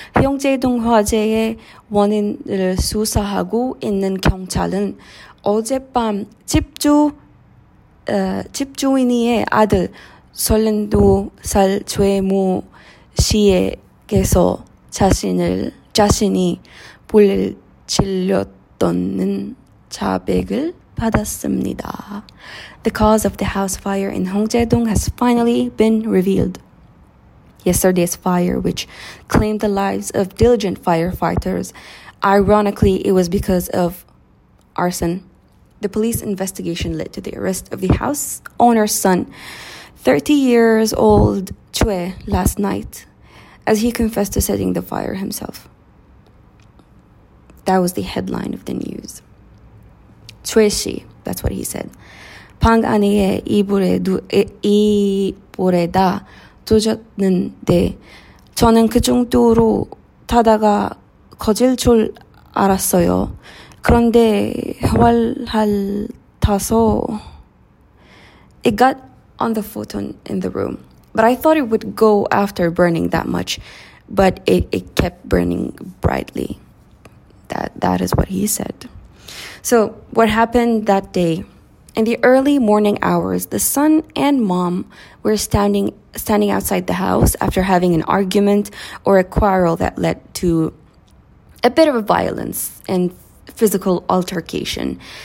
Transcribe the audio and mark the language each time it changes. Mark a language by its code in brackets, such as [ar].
[ko] 형제 동화재의 원인을 수사하고 있는 경찰은 어젯밤 집주인의 아들 32살 최모 씨에게서 자신이 불을 질렀다는 자백을 받았습니다. [en] The cause of the house fire in Hongjaedong has finally been revealed. Yesterday's fire, which claimed the lives of diligent firefighters, ironically, it was because of arson. The police investigation led to the arrest of the house owner's son, 30 years old Choi, last night, as he confessed to setting the fire himself. That was the headline of the news. Choi Shi, that's what he said. [ko] 방 안에 이불에다 조졌는데 저는 그 정도로 타다가 커질 줄 알았어요. 그런데 활활 타서 [en] It got on the photon in the room. But I thought it would go after burning that much. But it kept burning brightly. That is what he said. So what happened that day? In the early morning hours, the son and mom were standing outside the house after having an argument or a quarrel that led to a bit of a violence and physical altercation.